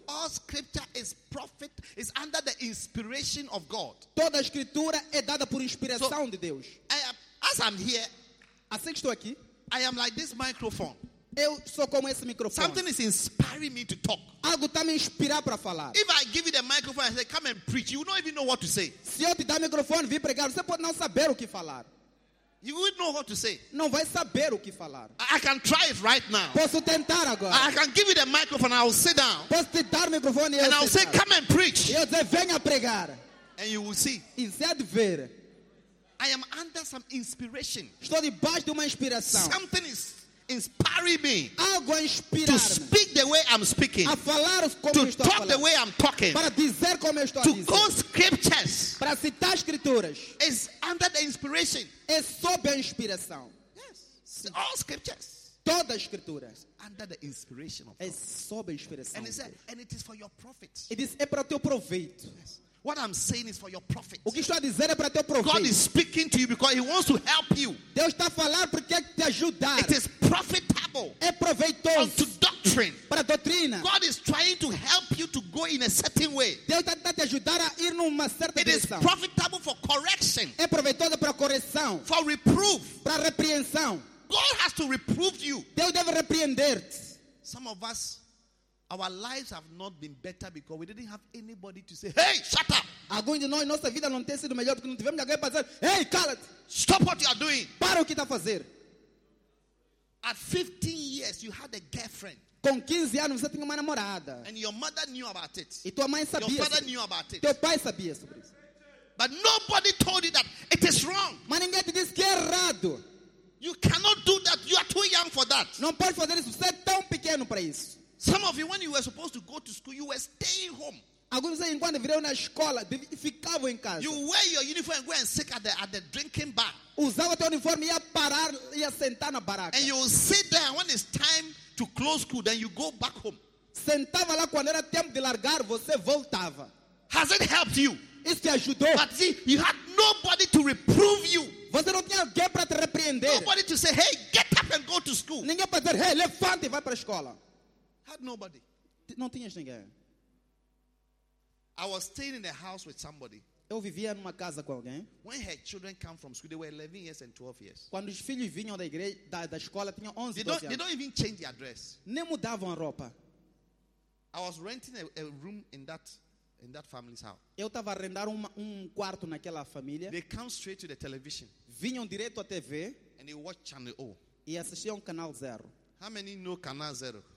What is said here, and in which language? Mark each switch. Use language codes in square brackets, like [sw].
[en] All scripture is profit is under the inspiration of God. [pt] Toda a escritura é dada por inspiração [en] so, [pt] de Deus. [en] As I'm here, [pt] estou aqui. [en] I am like this microphone. [pt] Eu sou como esse microfone. [en] Something is inspiring me to talk. [pt] Algo está me inspirar para falar. [en] If I give you the microphone and say, come and preach, you will not even know what to say. [pt] Se eu te dar o microfone, vim pregar, você pode não saber o que falar. [en] You will know what to say. [pt] Não vai saber o que falar. [en] I can try it right now. [pt] Posso tentar agora. [en] I can give you the microphone and I will sit down. [pt] Posso te dar o microfone e [en] eu [pt] sentar. [en] And I will say, come and preach. [pt] E eu dizer, venha pregar. [en] And you will see. [pt] E você vai ver. [en] I am under some inspiration. [pt] Estou debaixo de uma inspiração. [en] Something is inspiring me. [pt] Algo a inspirar-me. [en] To speak the way I'm speaking. [pt] A falar como [en] to [pt] estou a [en] talk [pt] falar. [en] The way I'm talking. [pt] Para dizer como estou [en] to [pt] a dizer. [en] Quote scriptures. [pt] Para citar escrituras. [en] It's under the inspiration. [pt] É sob a inspiração. [en] Yes. It's all scriptures. [pt] Todas as escrituras. [en] Under the inspiration of God. [pt] É sob a inspiração. [en] And, and it is for your profit. It is [pt] é para teu proveito. [en] Yes. What I'm saying is for your profit. [pt] O que estou a dizer é para teu proveito. [en] God is speaking to you because he wants to help you. [pt] Deus está a falar porque quer te ajudar. [en] It is profitable. [pt] É proveitoso. [en] Unto doctrine. [pt] Para a doutrina. [en] God is trying to help you to go in a certain way. [pt] Deus está a te ajudar a ir numa certa [en] direção. It is profitable for correction. [pt] É proveitoso para correção. [en] For reproof. [pt] Para repreensão. [en] God has to reprove you. [pt] Deus deve repreender-te. [en] Some of us, our lives have not been better because we didn't have anybody to say, hey, shut up. [pt] Alguns de nós, nossa vida não tem sido melhor porque não tivemos ninguém para dizer, hey, cala-te. [en] Stop what you are doing. [pt] Para o que está a fazer. [en] At 15 years, you had a girlfriend. [pt] Com 15 anos, você tinha uma namorada. [en] And your mother knew about it. [pt] E tua mãe sabia. [en] Your father knew about it. [pt] Teu pai sabia sobre isso. [en] But nobody told you that it is wrong. [pt] Mas ninguém te disse que é errado. [en] You cannot do that. You are too young for that. [pt] Não pode fazer isso. Você é tão pequeno para isso. [en] Some of you, when you were supposed to go you were staying home. [pt] Alguns dizem quando viram na escola, ficavam em casa. [en] You wear your uniform and go and sit at the drinking bar. [pt] Usava teu uniforme e ia parar e ia sentar na baraca. [en] And you sit there when it's time to close school, then you go back home. [pt] Sentava lá quando era tempo de largar, você voltava. [en] Has it helped you? [pt] Isso te ajudou? [en] But see, you had nobody to reprove you. [pt] Você não tinha alguém para te repreender. [en] Nobody to say, hey, get up and go to school. [pt] Ninguém para dizer, hey, levante e vai para a escola. [en] Had nobody. [pt] Não tinhas ninguém. [en] I was staying in a house with somebody. [pt] Eu vivia numa casa com alguém. [en] When her children come from school, they were 11 years and 12 years. [pt] Quando os filhos vinham da igreja, da escola, tinham 11 e 12 anos. [en] They don't even change the address. [pt] Nem mudavam a roupa. [en] I was renting a room in that family's house. [pt] Eu estava arrendando um quarto naquela família. [en] They come straight to the television. [pt] Vinham direto à TV. [en] And they watch Channel O. [pt] E assistiam Canal Zero. [en] How many know Canal Zero?